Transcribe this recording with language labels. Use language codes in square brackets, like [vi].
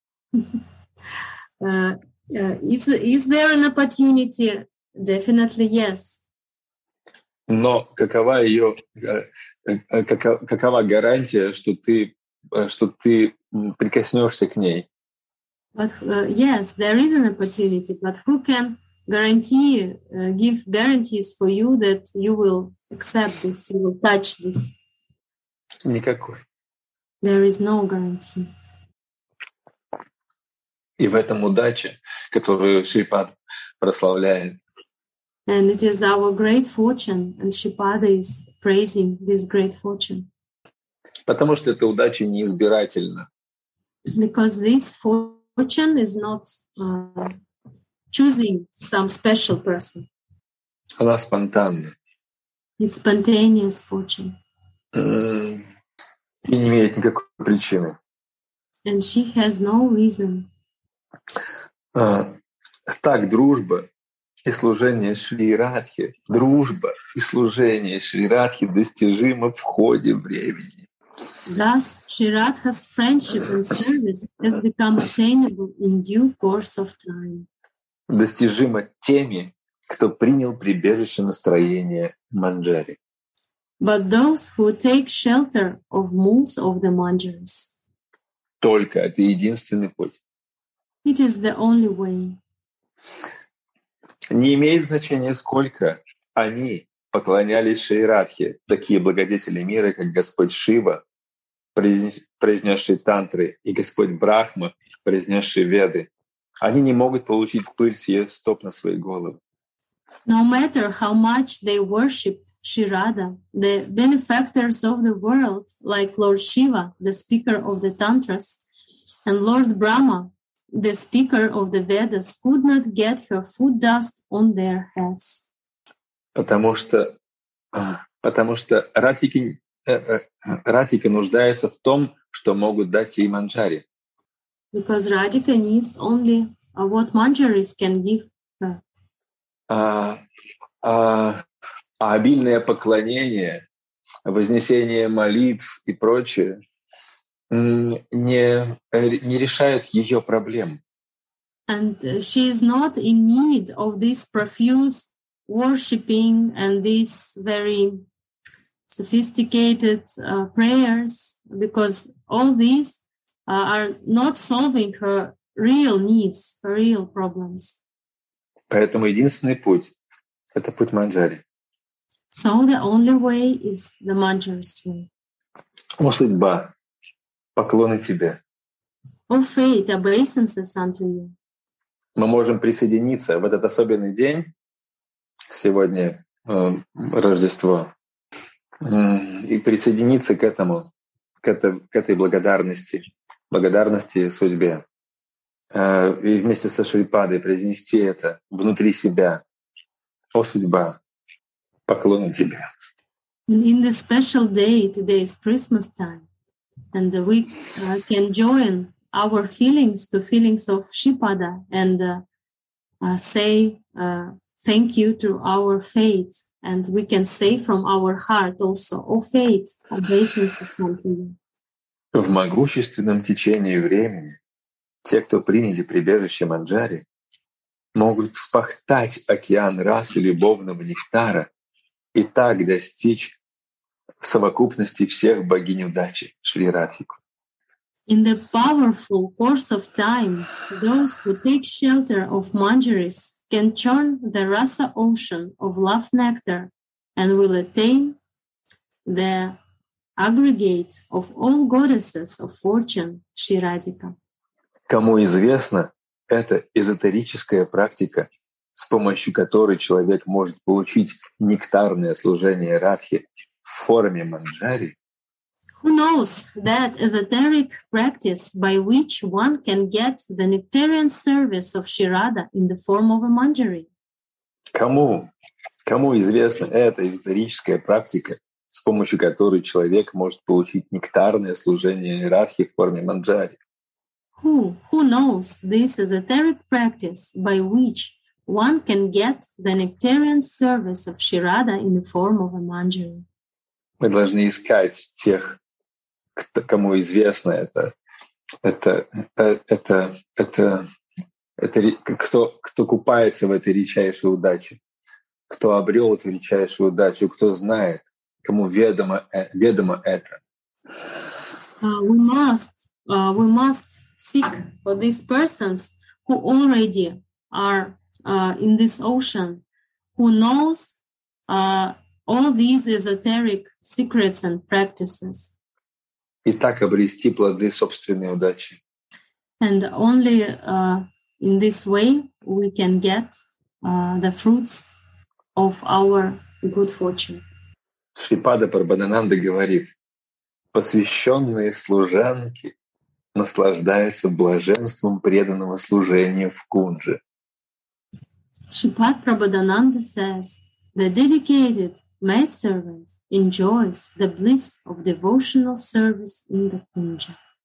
[en] Is there an opportunity? Definitely yes. [ru] Но какова ее какова гарантия, что ты прикоснешься к ней? [en] But yes, there is an opportunity. But who can give guarantees for you that you will accept this, you will touch this? [ru] Никакой. [en] There is no guarantee. [ru] И в этом удача, которую Шрипад прославляет. [en] And it is our great fortune, and Шрипада is praising this great fortune. [ru] Потому что эта удача неизбирательна. [en] Because this fortune is not choosing some special person. [ru] Она спонтанна. [en] It's spontaneous fortune. [ru] И не имеет никакой причины. [en] And she has no reason. [ru] Так, дружба и служение Шри Радхи. Дружба и служение Шри Радхи достижимо в ходе времени. [en] Thus, Shri Radha's friendship and service has become attainable in due course of time. [ru] Достижимо теми, кто принял прибежище настроения Манджари. [en] But those who take shelter of moods of the Manjaris. [ru] Только это единственный путь. [en] It is the only way. [ru] Не имеет значения, сколько они поклонялись Шри Радхе, такие благодетели мира, как Господь Шива, произнесший тантры, и Господь Брахма, произнесший веды. Они не могут получить пыль с ее стоп на свои головы. [en] No matter how much they worshipped Shri Radha, the benefactors of the world, like Lord Shiva, the speaker of the tantras, and Lord Brahma, the speaker of the Vedas, could not get her foot dust on their heads. [ru] Потому что Радхика нуждается в том, что могут дать ей Манджари. [en] Because Radhika needs only what Manjaris can give her. [ru] Обильное поклонение, вознесение молитв и прочее не решают ее проблем. [en] And she is not in need of this profuse worshipping and these very sophisticated prayers, because all these are not solving her real needs, her real problems. [ru] Поэтому единственный путь — это путь Манджари. [en] So the only way is the Manjari's way. [ru] О, судьба, поклоны тебе. [en] O fate, obeisances unto you. [ru] Мы можем присоединиться в этот особенный день, сегодня Рождество, и присоединиться к этому, к этой благодарности, благодарности судьбе. И вместе со Шрипадой произнести это внутри себя. О, судьба, поклоны тебе. [en] In this special day, today is Christmas time, and we can join our feelings to feelings of Shripada and say thank you to our fate, and we can say from our heart also, O fate, obeisances unto you. [ru] В могущественном течении времени те, кто приняли прибежище Манджари, могут вспахтать океан расы любовного нектара и так достичь совокупности всех богинь удачи, Шри Радхику. [en] In the powerful course of time, those who take shelter of Manjaris can churn the rasa ocean of love nectar and will attain the aggregate of all goddesses of fortune, Шри Радхика. [ru] Кому известно, это эзотерическая практика, с помощью которой человек может получить нектарное служение Радхи в форме Манджари. [en] Who knows that esoteric practice by which one can get the nectarian service of Shri Radha in the form of a Manjari? [ru] Кому известна эта эзотерическая практика, с помощью которой человек может получить нектарное служение Радхи в форме Манджари? [en] Who knows this esoteric practice by which one can get the nectarian service of Shri Radha in the form of a Manjari? [ru] Мы должны искать тех, кому известно кто купается в этой величайшей удаче, кто обрел эту величайшую удачу, кто знает, кому ведомо это. [en] We must seek for these persons who already are in this ocean, who knows all these esoteric secrets and practices. [ru] И так обрести плоды собственной удачи. [en] And only in this way we can get the fruits of our good fortune. [ru] Шрипада Парбанананда говорит: посвященные служанки наслаждаются блаженством преданного служения в кунже. [en] Шрипад Прабхадананда says: the dedicated maidservant enjoys the bliss of devotional service in the kunja.